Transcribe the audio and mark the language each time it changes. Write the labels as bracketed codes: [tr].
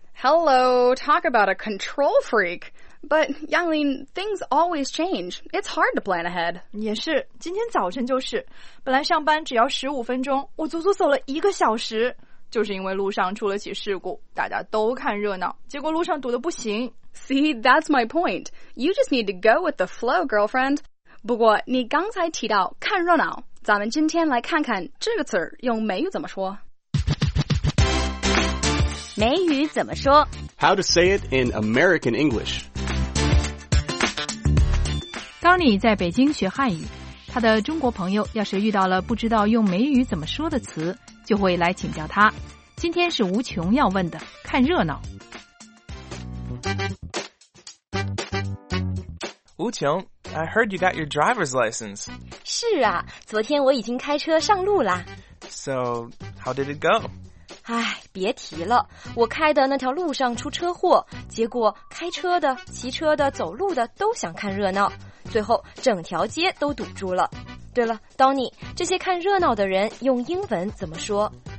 [en] Hello, talk about a control freak. But, Yanglin, things always change. It's hard to plan ahead. [zh] 也是，今天早晨就是，本来上班只要15分钟，我足足走了一个小时，就是因为路上出了起事故，大家都看热闹，结果路上堵得不行。 [en] See, that's my point. You just need to go with the flow, girlfriend. [zh] 不过，你刚才提到看热闹，咱们今天来看看这个词儿用美语怎么说。美语怎么说？ [en] How to say it in American English. [zh] Tony 在北京学汉语，他的中国朋友要是遇到了不知道用美语怎么说的词，就会来请教他。今天是无穷要问的，看热闹。 [en] 无穷 ，I heard you got your driver's license. [zh] 是啊，昨天我已经开车上路啦。 [en] So, how did it go? [zh] 哎，别提了，我开的那条路上出车祸，结果开车的、骑车的、走路的都想看热闹。最后整条街都堵住了。对了 ，Donny， 这些看热闹的人用英文怎么说？